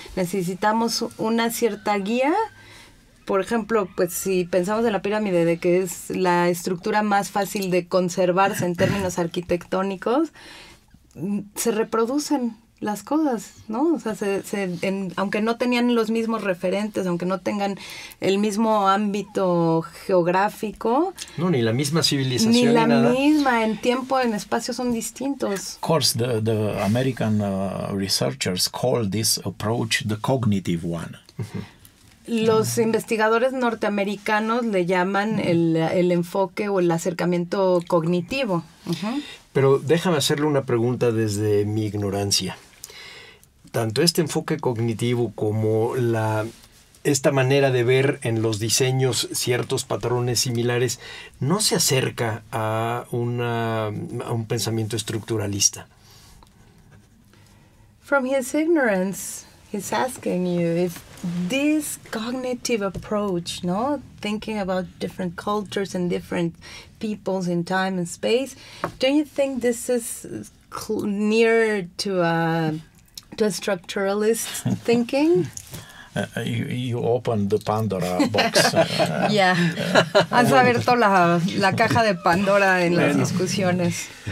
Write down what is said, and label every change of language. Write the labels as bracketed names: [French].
[Spanish] Necesitamos una cierta guía. Por ejemplo, pues si pensamos en la pirámide, de que es la estructura más fácil de conservarse en términos arquitectónicos, se reproducen las cosas, ¿no? O sea, aunque no tenían los mismos referentes, aunque no tengan el mismo ámbito geográfico. No, ni la misma civilización. Ni la nada. Misma, en tiempo, en espacio son distintos. [English] Of course, the American researchers call this approach the cognitive one. [Spanish] Los investigadores norteamericanos le llaman el enfoque o el acercamiento cognitivo. Pero déjame hacerle una pregunta desde mi ignorancia. Tanto este enfoque cognitivo como esta manera de ver en los diseños ciertos patrones similares no se acerca a un pensamiento estructuralista. [English] From his ignorance, he's asking you if this cognitive approach, no, thinking about different cultures and different peoples in time and space, don't you think this is near to a structuralist thinking? You opened the Pandora box. [Spanish] Has abierto la caja de Pandora en las discusiones.